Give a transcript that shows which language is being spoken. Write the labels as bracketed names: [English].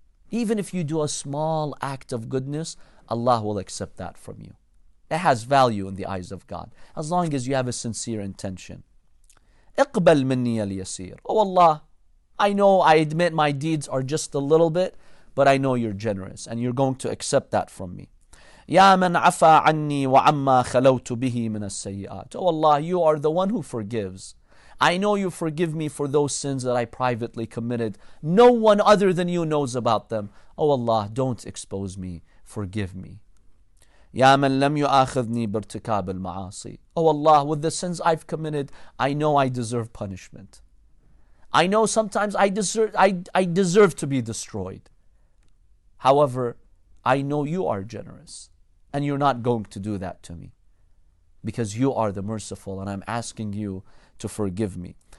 [English] Even if you do a small act of goodness, Allah will accept that from you. It has value in the eyes of God, as long as you have a sincere intention. [Arabic] اقبل مني اليسير. [English] Oh Allah, I know, I admit my deeds are just a little bit, but I know you're generous and you're going to accept that from me. [Arabic] يا من عفا عني وعما خلوت به من السيئات. [English] Oh Allah, you are the one who forgives. I know you forgive me for those sins that I privately committed. No one other than you knows about them. Oh Allah, don't expose me. Forgive me. [Arabic] يا من لم يؤاخذني بارتكاب المعاصي. [English] Oh Allah, with the sins I've committed, I know I deserve punishment. I know sometimes I deserve to be destroyed. However, I know you are generous and you're not going to do that to me, because you are the merciful and I'm asking you to forgive me.